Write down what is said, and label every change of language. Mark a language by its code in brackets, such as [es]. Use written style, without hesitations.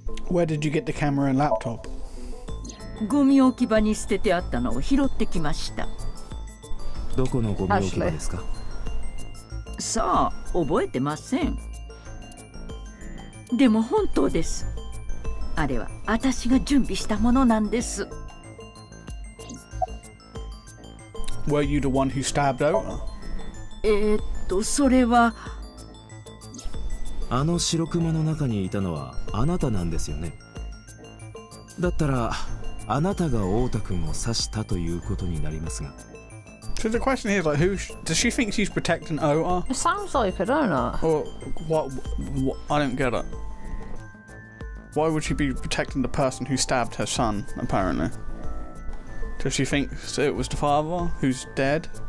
[en] Where did you get the camera and laptop? [ja] ゴミ置き場に捨ててあったのを拾ってきました。どこのゴミ置き場ですか？さあ、覚えてません。でも本当です。あれは私が準備したものなんです。 [en] Were you the one who stabbed Ota? [ja] それはあの白熊の中にいたのはあなたなんですよね。だったらあなたがオータ君を刺したということになりますが。 [en] So the question here is like, does she think she's protecting Ota? It sounds like it, don't it? Or what? I don't get it. Why would she be protecting the person who stabbed her son, apparently? Does she think it was the father who's dead?